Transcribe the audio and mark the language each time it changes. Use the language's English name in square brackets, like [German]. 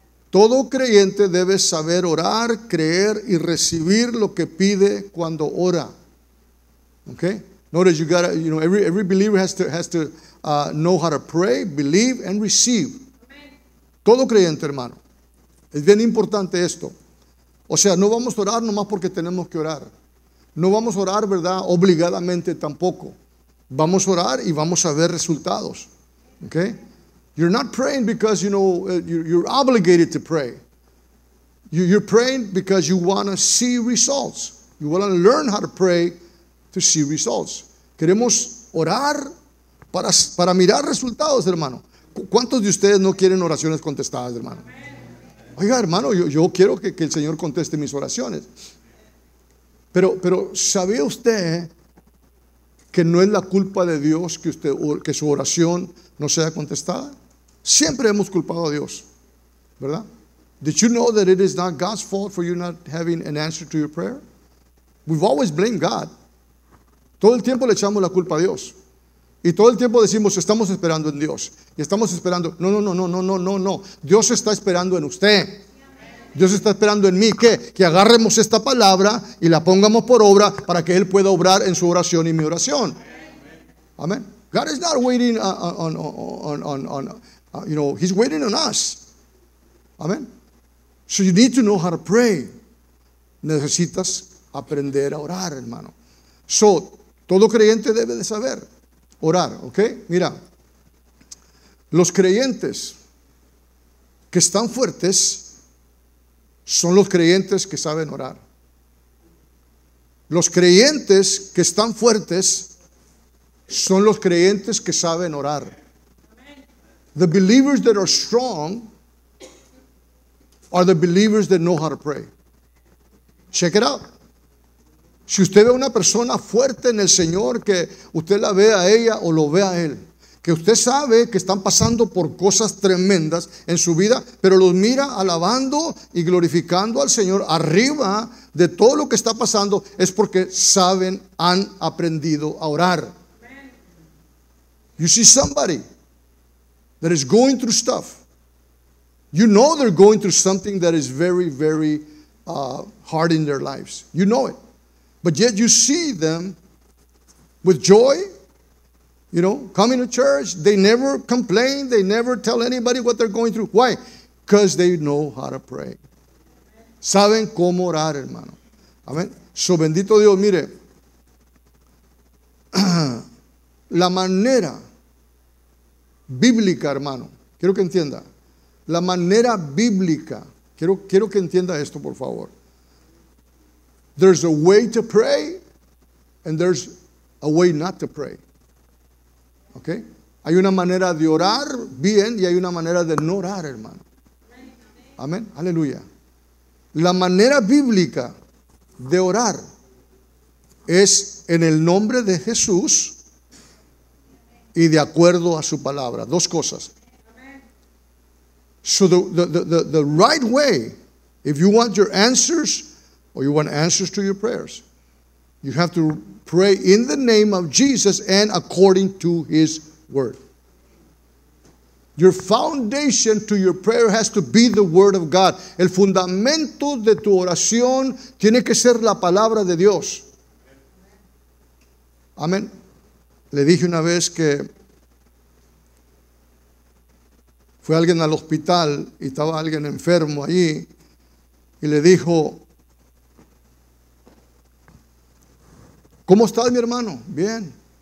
[Spanish] Todo creyente debe saber orar, creer y recibir lo que pide cuando ora. [English] Ok, notice you gotta, you know, every believer has to know how to pray, believe and receive. [Spanish] Todo creyente, hermano, es bien importante esto. O sea, no vamos a orar nomás porque tenemos que orar. No vamos a orar, ¿verdad?, obligadamente tampoco. Vamos a orar y vamos a ver resultados. ¿Ok? [English] You're not praying because, you know, you're obligated to pray. You're praying because you want to see results. You want to learn how to pray to see results. [Spanish] Queremos orar para mirar resultados, hermano. ¿Cuántos de ustedes no quieren oraciones contestadas, hermano? Oiga, hermano, yo quiero que el Señor conteste mis oraciones. Pero ¿sabía usted que no es la culpa de Dios que su oración no sea contestada? Siempre hemos culpado a Dios, ¿Verdad? [English] Did you know that it is not God's fault for you not having an answer to your prayer? We've always blamed God. [Spanish] Todo el tiempo le echamos la culpa a Dios. Y todo el tiempo decimos, estamos esperando en Dios. Y estamos esperando, no. Dios está esperando en usted. Dios está esperando en mí, ¿qué? Que agarremos esta palabra y la pongamos por obra para que Él pueda obrar en su oración y mi oración. Amén. [English] God is not waiting on He's waiting on us. Amén. So you need to know how to pray. [Spanish] Necesitas aprender a orar, hermano. So, todo creyente debe de saber orar, ¿ok? Mira, los creyentes que están fuertes son los creyentes que saben orar. Los creyentes que están fuertes son los creyentes que saben orar. [English] The believers that are strong are the believers that know how to pray. Check it out. [Spanish] Si usted ve a una persona fuerte en el Señor, que usted la ve a ella o lo ve a él, que usted sabe que están pasando por cosas tremendas en su vida, pero los mira alabando y glorificando al Señor arriba de todo lo que está pasando, es porque saben, han aprendido a orar. [English] You see somebody that is going through stuff. You know they're going through something that is very, very hard in their lives. You know it. But yet you see them with joy, you know, coming to church. They never complain. They never tell anybody what they're going through. Why? Because they know how to pray. [Spanish] Saben cómo orar, hermano. [English] Amén. [Spanish] So bendito Dios, mire. La manera bíblica, hermano. Quiero que entienda. La manera bíblica. Quiero que entienda esto, por favor. [English] There's a way to pray and there's a way not to pray. Okay? [Spanish] Hay una manera de orar bien y hay una manera de no orar, hermano. Amén. Aleluya. La manera bíblica de orar es en el nombre de Jesús y de acuerdo a su palabra. Dos cosas. [English] So the right way, if you want your answers or you want answers to your prayers, you have to pray in the name of Jesus and according to his word. Your foundation to your prayer has to be the word of God. [Spanish] El fundamento de tu oración tiene que ser la palabra de Dios. Amén. Le dije una vez que fue alguien al hospital y estaba alguien enfermo allí y le dijo, ¿cómo estás, mi hermano? Bien.